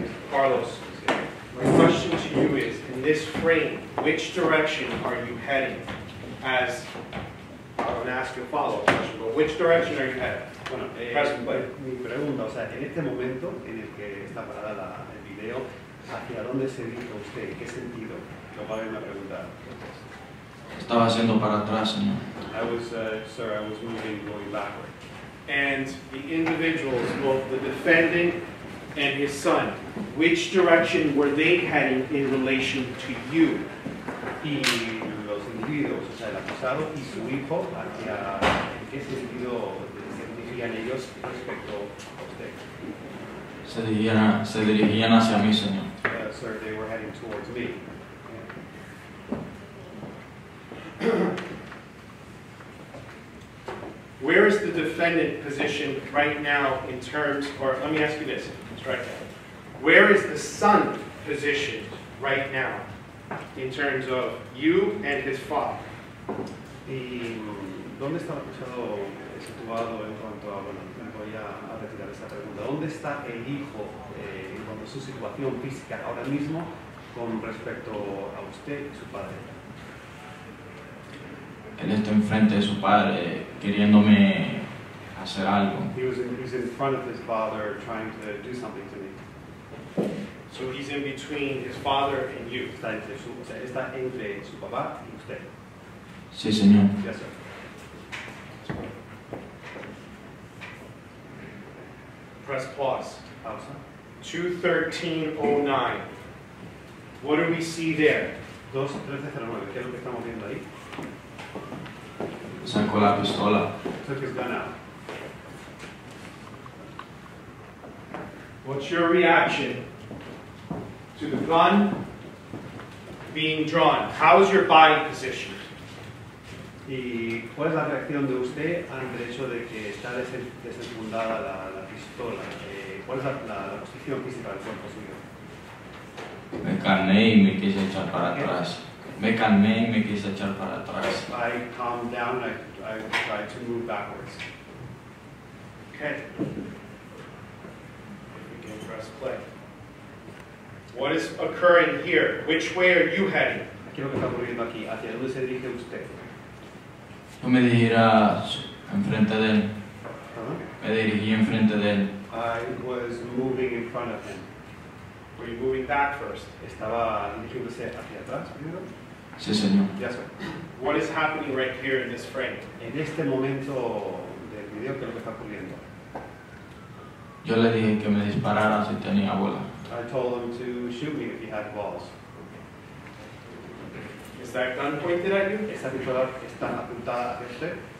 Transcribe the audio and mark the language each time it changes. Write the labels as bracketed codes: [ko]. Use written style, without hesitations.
[en] Carlos, my question to you is, in this frame, which direction are you heading? As I'm going to ask you a follow-up question, but which direction are you heading? [es] Mi pregunta, o sea, en este momento en el que está parada el video, ¿hacia dónde se dirige usted? ¿Qué sentido? Lo va a ver una pregunta. Estaba haciendo para atrás, señor. [en] I was going backward. And the individuals, both the defendant and his son, which direction were they heading in relation to you? [es] Y los individuos, o sea, el acusado y su hijo, ¿hacia qué sentido se dirigían ellos respecto a usted? Se dirigían hacia mí, señor. [en] Sir, they were heading towards me. Where is the defendant positioned right now in terms, or let me ask you this, strike that. Where is the son positioned right now in terms of you and his father? [es] ¿Dónde está Machado situado en cuanto a, bueno, me voy a retirar esta pregunta? ¿Dónde está el hijo en cuanto a su situación física ahora mismo con respecto a usted y su padre? Él está enfrente de su padre queriéndome hacer algo. [en] He was in front of his father trying to do something to me. So he's in between his father and you. [es] Está entre su papá y usted. Sí, señor. [en] Yes, sir. Press pause. 213.09. What do we see there? [es] 213.09. ¿Qué es lo que estamos viendo ahí? Sacó la pistola. [en] Took his gun out. What's your reaction to the gun being drawn? How is your body positioned? [es] ¿Y cuál es la reacción de usted ante el hecho de que está desenfundada la pistola? ¿Cuál es la posición física del cuerpo suyo? Me calmé y me quise echar para atrás. Me calmé y me quise echar para atrás. [en] I calmed down and I tried to move backwards. Okay. We can press play. What is occurring here? Which way are you heading? [es] ¿Qué es lo que está ocurriendo aquí? ¿Hacia dónde se dirige usted? Yo me dirigí enfrente de él. Me dirigí enfrente de él. [en] I was moving in front of him. Were you moving back first? [es] Estaba dirigiéndose hacia atrás primero. Sí, señor. [en] Yes, sir. What is happening right here in this frame? [es] En este momento del video, ¿qué es lo que está ocurriendo? Yo le dije que me disparara si tenía bola. [en] I told him to shoot me if he had balls. Is that gun pointed at you? [es] ¿Esta pistola está apuntada hacia usted?